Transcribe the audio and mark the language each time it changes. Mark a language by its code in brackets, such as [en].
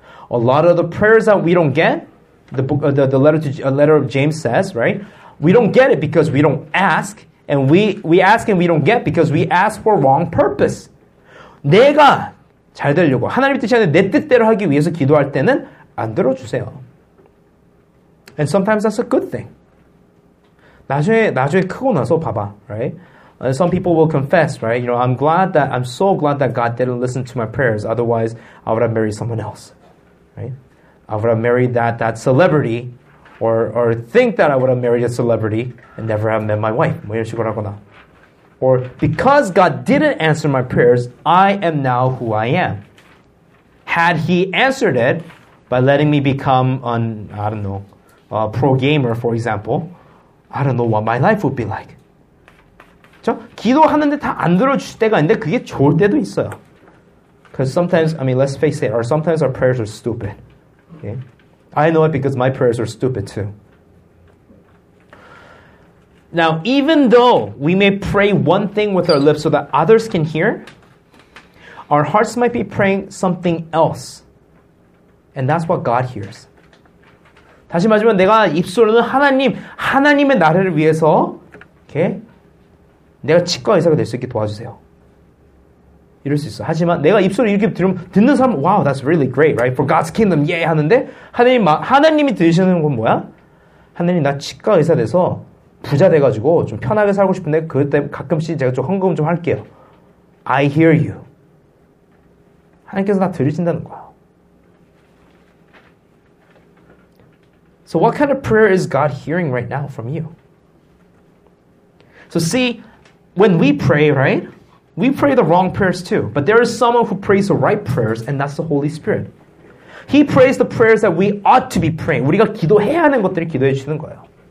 [en] A lot of the prayers that we don't get, the letter of James says, right? We don't get it because we don't ask, and we ask and we don't get because we ask for wrong purpose. [ko] 내가 잘 되려고 하나님 뜻이 아닌 내 뜻대로 하기 위해서 기도할 때는 안 들어주세요. [en] And sometimes that's a good thing. [ko] 나중에 크고 나서 봐봐, right? [en] Some people will confess, right? You know, I'm so glad that God didn't listen to my prayers. Otherwise, I would have married someone else, right? I would have married that celebrity, or think that I would have married a celebrity and never have met my wife. [ko] 뭐 이런 식으로 하거나. [en] Or because God didn't answer my prayers, I am now who I am. Had He answered it by letting me become a pro gamer, for example, I don't know what my life would be like. [ko] 그쵸? 기도하는데 다 안 들어주실 때가 있는데 그게 좋을 때도 있어요. [en] Because sometimes, I mean, let's face it, or sometimes our prayers are stupid. Okay? I know it because my prayers are stupid too. Now, even though we may pray one thing with our lips so that others can hear, our hearts might be praying something else. And that's what God hears. [ko] 다시 말하면 내가 입술로는 하나님의 나라를 위해서 okay? 내가 치과 의사가 될 수 있게 도와주세요. 이럴 수 있어. 하지만 내가 입술을 이렇게 들으면 듣는 사람 [en] wow, that's really great, right? For God's kingdom, yeah, [ko] 하는데 하나님이 들으시는 건 뭐야? 하나님, 나 치과 의사 돼서 부자 돼가지고 좀 편하게 살고 싶은데 그때 가끔씩 제가 좀 헌금 좀 할게요. [en] I hear you. [ko] 하나님께서 나 들으신다는 거야. [en] So what kind of prayer is God hearing right now from you? So see, when we pray, right? We pray the wrong prayers too. But there is someone who prays the right prayers, and that's the Holy Spirit. He prays the prayers that we ought to be praying. [ko] 우리가 기도해야 하는 것들을 기도해 주시는 거예요.